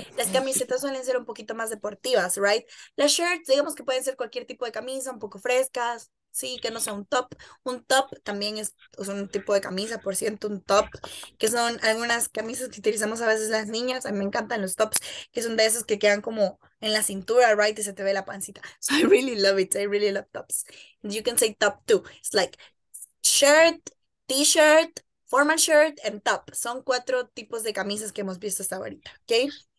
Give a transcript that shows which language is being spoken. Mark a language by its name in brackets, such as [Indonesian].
[Spanish] Las camisetas suelen ser un poquito más deportivas, right? Las shirts, digamos que pueden ser cualquier tipo de camisa, un poco frescas, sí, que no sea un top. Un top también es un tipo de camisa, por cierto, un top, que son algunas camisas que utilizamos a veces las niñas. A mí me encantan los tops, que son de esos que quedan como en la cintura, right? Y se te ve la pancita. [English] So I really love it. I really love tops. And you can say top too. It's like shirt, t-shirt, formal shirt, and top. [Spanish] Son cuatro tipos de camisas que hemos visto hasta ahorita, okay?